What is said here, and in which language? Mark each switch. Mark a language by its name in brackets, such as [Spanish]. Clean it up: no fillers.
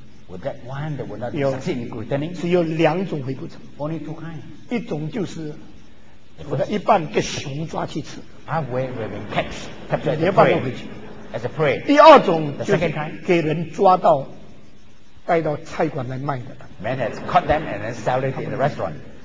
[English] Would that one that would not succeed in returning？ [Chinese] 只有两种回不成。 [English] Only two kinds。 [Chinese] 一种就是我的一半被熊抓去吃。 [English] Halfway will be captured。 [Chinese] 一半都回去。 [English] As a prey。 [Chinese] 第二种就是给人抓到，带到菜馆来卖的。 [English] Man has caught them and then sell it in the restaurant。